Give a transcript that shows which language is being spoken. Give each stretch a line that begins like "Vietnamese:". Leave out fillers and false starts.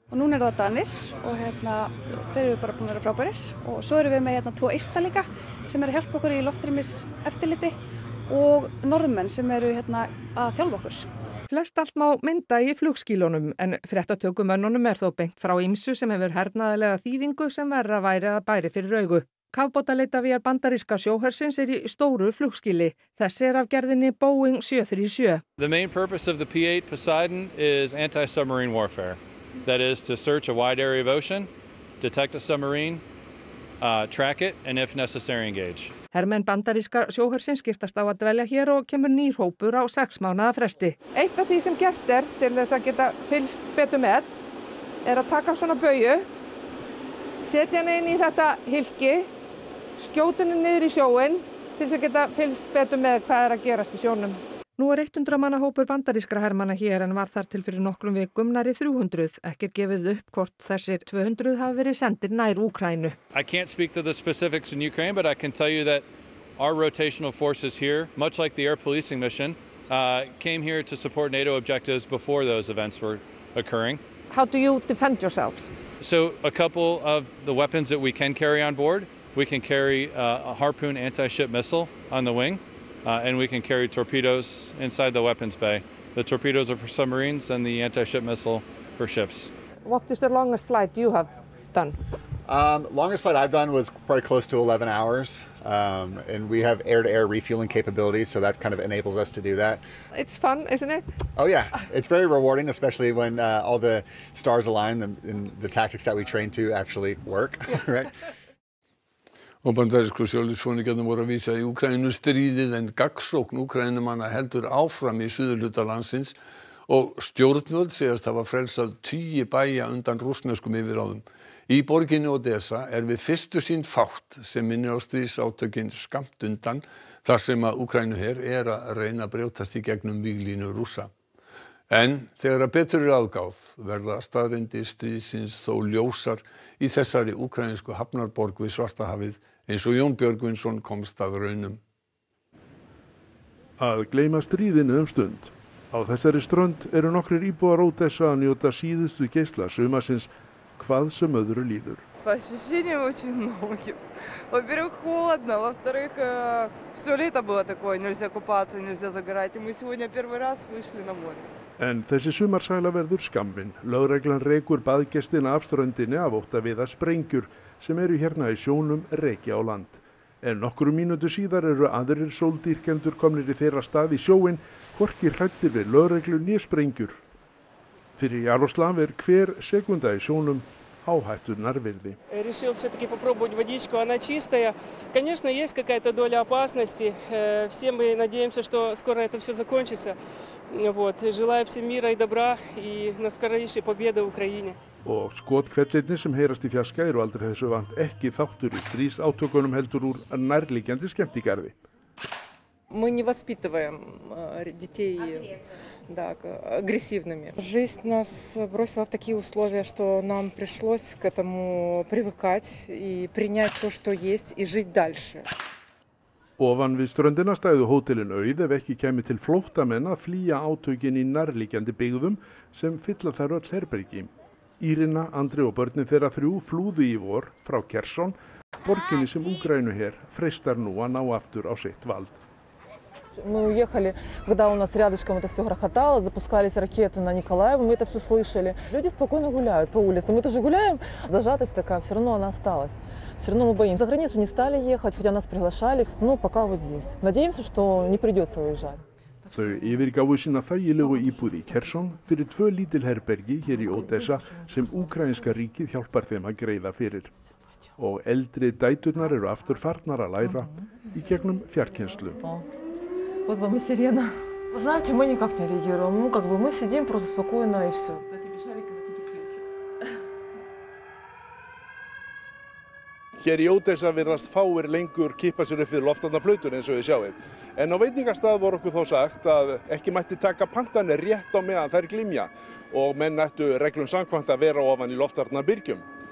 Icelandic: Og núna það Danir og hérna, þeir eru bara búin að vera frábærir og svo eru við með hérna tvo eista líka sem eru að hjálpa okkur í loftrýmiseftirliti og norðmenn sem eru hérna að þjálfa okkur. Flest allt má mynda í flugskílunum, en fréttatökumönnunum þó beint frá ýmsu sem hefur hernaðilega þýðingu sem verra væri að bæri fyrir augu. Kafbátaleitarvél bandaríska sjóhersins í stóru flugskíli. Þessi af gerðinni Boeing 737.
English: The main purpose of the P-8 Poseidon is anti-submarine warfare. That is to search a wide area of ocean, detect a submarine, track it and if necessary engage.
Icelandic: Hermenn bandaríska sjóhersins skiptast á að dvelja hér og kemur nýr hópur á 6 mánaða fresti. Eitt af því sem gert til þess að geta fylst betur með að taka svona bauju, setja hana inn í þetta hylki, skjóta hana niður í sjóinn til þess að geta fylst betur með hvað að gerast í sjónum. Nú 100 manna hópur bandarískra hermanna hér en var þar til fyrir nokkrum vikum nærri 300. Ekki gefið upp hvort þessir 200 hafa verið sendir nær Úkraínu.
English: I can't speak to the specifics in Ukraine, but I can tell you that our rotational forces here, much like the air policing mission, came here to support NATO objectives before those events were occurring. How do you defend yourselves? So a couple of the weapons that we can carry on board, we can carry a Harpoon anti-ship missile on the wing. And we can carry torpedoes inside the weapons bay. The torpedoes are for submarines and the anti-ship missile for ships. What is the longest flight you have done? Longest flight I've done was probably close to 11 hours. And we have air-to-air refueling capabilities, so that kind of enables us to do that. It's fun, isn't it? Oh, yeah. It's very rewarding, especially when all the stars align and the tactics that we train to actually work, yeah. Right?
Icelandic: Og bandarísku sjóliðsfóningarnir voru að vísa í Úkraínu stríðið en gagnsókn Úkraínumanna heldur áfram í suðurhluta landsins og stjórnvöld segjast hafa frelsað tugi bæja undan rússneskum yfirráðum. Í borginni Odessa er við fyrstu sýn fátt sem minnir á stríðsátökin skammt undan þar sem að Úkraínu her er að reyna að brjótast í gegnum víglínu rússa. En þegar að betur eru aðgáð verða staðreyndir stríðsins þó ljósar í þessari ukrainsku hafnarborg við Svartahafið eins og Jón Björgvinsson komst að raunum. Að gleyma stríðinu stund. Á þessari strönd eru nokkrir íbúar Odessa að njóta síðustu geisla sumarsins hvað sem öðru líður.
Russian: По ощущениям очень многим. Во-первых, холодно, во-вторых, все лето было такое, нельзя купаться, нельзя загорать. И мы сегодня первый раз вышли на море.
Icelandic: En þessi sumarsæla verður skammin. Lögreglan rekur baðgestina af ströndinni af ótta við að sprengjur sem eru hérna í sjónum reki á land. En nokkru mínútu síðar eru aðrir sóldýrkendur komnir í þeirra stað í sjóin, hvorki hræddir við lögreglu né sprengjur. Fyrir Jaroslav hver sekunda í sjónum áhættunar virði.
Russian: Решил все-таки попробовать водичку, она чистая. Конечно, есть какая-то доля опасности. Все мы надеемся, что скоро это все закончится. Вот. Желаю всем мира и добра и на скорейшей победы Украине.
Icelandic: Og skothvellirnir sem heyrast í fjarska eru aldrei þessu vant ekki þáttur í stríðsátökunum heldur úr nærliggjandi skemmtigarði.
Russian: Мы не воспитываем детей Да, агрессивными. Жизнь нас бросила в такие условия, что нам пришлось к этому привыкать и принять то, что есть, и жить дальше.
Icelandic: Ofan við ströndina stæðu hótelin auð ef ekki kæmi til flóttamenn að flýja átökin í nærliggjandi byggðum sem fylla þær öll herbergi. Írina, Andri og börnin þeirra þrjú flúðu í vor frá Kherson, borginni sem Úkraínu her freistar nú að ná aftur á sitt vald.
Russian: Мы уехали, когда у нас рядышком это все грохотало, запускались ракеты на Николаев, мы это все слышали. Люди спокойно гуляют по улице, мы тоже гуляем, зажатость такая, все равно она осталась. Все равно мы боимся. За границу не стали ехать, хотя нас приглашали, но пока вот здесь. Надеемся, что не придется уезжать.
Icelandic: Þau yfirgáfu sína þægilegu íbúð í Kherson fyrir tvö lítil herbergi hér í Odessa sem ukrainska ríkið hjálpar þeim að greiða fyrir. Og eldri dæturnar eru aftur farnar að læra í gegnum fjarkennslu.
Russian: Вот вам и сирена. Вы знаете, мы никак не реагируем. Ну, как бы мы сидим просто спокойно и все.
Icelandic: Hér í Odessa virðast fáir lengur kippa sér upp við loftvarnaflautur eins og við sjáum. En á veitingastað voru okkur þó sagt að ekki mætti taka pantanir rétt á meðan þær glimja og menn ættu reglum samkvæmt að vera ofan í loftvarnabyrgjum.